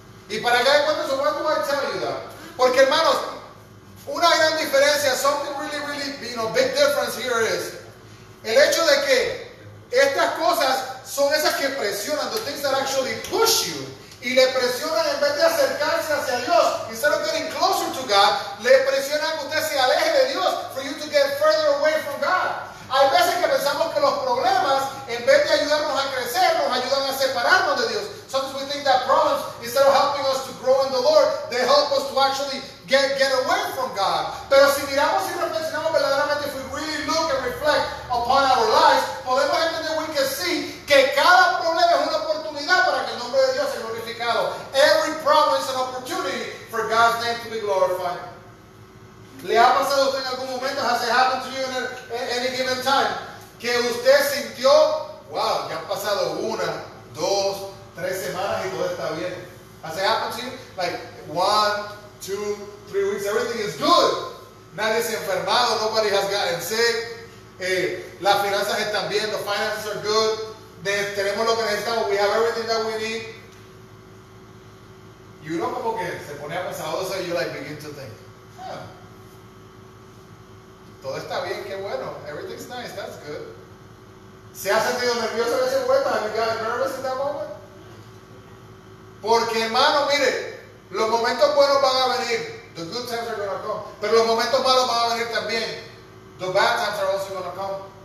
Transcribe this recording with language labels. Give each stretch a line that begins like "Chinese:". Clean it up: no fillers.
Spanish: Y para que hay cuantos,
English: why do I tell you that?
Spanish: Porque, hermanos, una gran diferencia,
English: something really, really, you know, big difference here
Spanish: is el hecho de que estas cosas son esas que presionan,
English: the things that actually push you,
Spanish: y le presionan en vez de acercarse hacia Dios,
English: instead of getting closer to God,
Spanish: le presionan que usted se aleje de Dios,
English: for you to get further away from God.
Spanish: Hay veces que pensamos que los problemas, en vez de ayudarnos a crecer, nos ayudan a separarnos de Dios.
English: Sometimes we think that problems, instead of helping us to grow in the Lord, they help us to actually get away from God.
Spanish: Pero si miramos y reflexionamos verdaderamente,
English: if we really look and reflect upon our lives,
Spanish: podemos entender,
English: we can see,
Spanish: que cada problema es una oportunidad para que el nombre de Dios sea glorificado.
English: Every problem is an opportunity for God's name to be glorified.
Spanish: ¿Le ha pasado a usted en algún momento?
English: Has it happened to you in any given time?
Spanish: Que usted sintió, wow, ya han pasado una, dos, tres semanas y todo está bien.
English: Has it happened to you? Like, one, two, 3 weeks, everything is good.
Spanish: Nadie se ha enfermado,
English: nobody has gotten sick.
Spanish: Las finanzas están bien,
English: the finances are good.
Spanish: Tenemos lo que necesitamos,
English: we have everything that we need.
Spanish: Y uno como que se pone a pensar,
English: so you like begin to think,
Spanish: todo está bien, qué bueno.
English: Everything's nice, that's good.
Spanish: ¿Se ha sentido nervioso en ese momento?
English: ¿Have you gotten nervous in that moment?
Spanish: Porque, hermano, mire, los momentos buenos van a venir.
English: The good times are going to come.
Spanish: Pero los momentos malos van a venir también.
English: The bad times are also going to come.